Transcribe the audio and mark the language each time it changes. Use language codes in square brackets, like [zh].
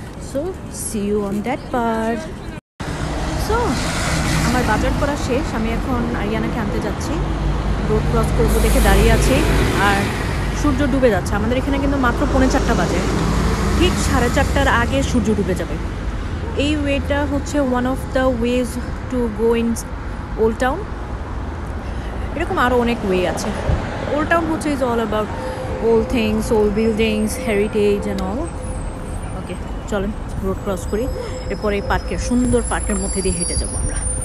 [en] So see you on that part. [bn] So আমার বাজার করা শেষ, আমি এখন আরিয়ানাকে আনতে যাচ্ছি, রোড ক্রস করবো দেখে দাঁড়িয়ে আছি। আর সূর্য ডুবে যাচ্ছে, আমাদের এখানে কিন্তু মাত্র 4:45 বাজে, ঠিক 4:30 আগে সূর্য ডুবে যাবে। [en] এই ওয়েটা হচ্ছে one of the ways to go in old town. [bn] এরকম আরও অনেক ওয়ে আছে। [en] Old town হচ্ছে is all about old things, old buildings, heritage and all. [bn] Okay, চলেন রোড ক্রস করি, এরপর এই পার্কের সুন্দর পার্কের মধ্যে দিয়ে হেঁটে যাবো আমরা।